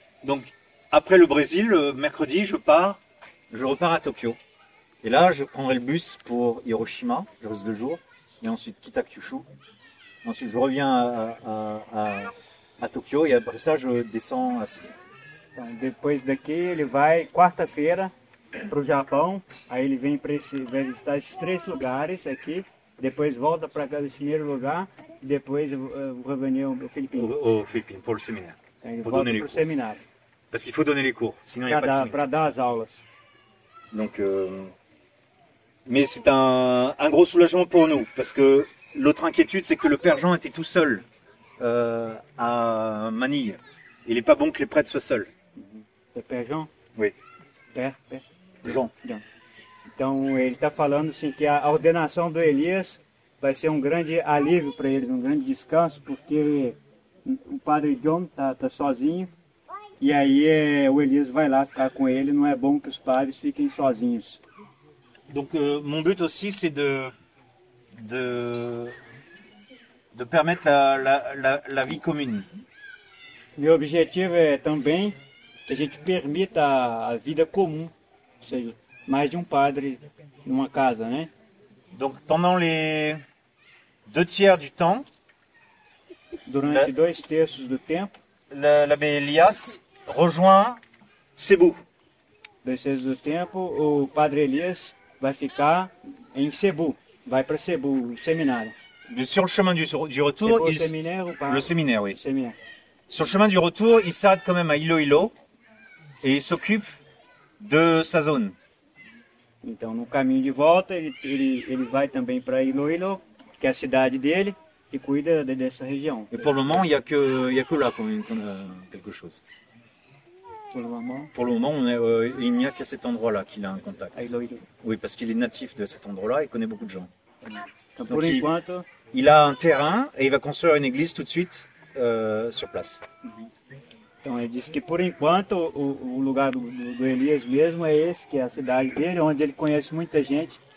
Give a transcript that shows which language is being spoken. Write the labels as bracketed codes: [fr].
[fr] Donc, après le Brésil, mercredi, je repars à Tokyo. Et là, je prendrai le bus pour Hiroshima, je reste 2 jours, et ensuite quitte Kyushu. Ensuite, je reviens à Tokyo, et après ça, je descends à Séoul. [pt] Depois daqui, ele vai quarta-feira para o Japão, aí ele vem vai visitar esses três lugares aqui, depois volta para cá, esse primeiro lugar, e depois [fr] revenir aux Philippines. Aux Philippines, pour le séminaire. Pour donner les cours. Séminaire. Parce qu'il faut donner les cours, sinon il n'y a pas de séminaire. Pour donner les aulas. Donc, mais c'est un gros soulagement pour nous, parce que l'autre inquiétude, c'est que le Père Jean était tout seul à Manille. Il n'est pas bon que les prêtres soient seuls. Le Père Jean? Oui. Père? Jean. Donc, il [pt] está falando assim, que a ordenação de Elias vai ser um grande alívio para eles, um grande descanso, porque o padre John tá sozinho e aí o Elias vai lá ficar com ele. Não é bom que os padres fiquem sozinhos. [fr] Donc mon but aussi c'est de permettre la vie commune. [pt] Meu objetivo é também que a gente permita a vida comum, ou seja, mais de um padre numa casa, né? [fr] Donc pendant les 2/3 du temps. [pt] Durante 2/3 do tempo, [fr] l'abbé Elias rejoint Cebu. [pt] 2/3 do tempo, o padre Elias vai ficar em Cebu, vai para Cebu, o seminário. [fr] Sur le chemin du retour, Cebu, séminaire, ou pas? Le séminaire, oui. Séminaire. Sur le chemin du retour, il s'arrête quand même à Iloilo et il s'occupe de sa zone. [pt] Então, no caminho de volta, ele vai também para Iloilo, que é a cidade dele. [fr] Qui cuide de cette région. Et pour le moment, il n'y a que là comme quelque chose. Pour le moment? Pour le moment, il n'y a qu'à cet endroit-là qu'il a un contact. Ilo Ilo. Oui, parce qu'il est natif de cet endroit-là, il connaît beaucoup de gens. Donc, pour l'instant, il a un terrain et il va construire une église tout de suite sur place. Donc, il dit que pour l'instant, le [pt] lugar de Elias, mesmo, é esse, que é a cidade dele, onde ele conhece muita gente.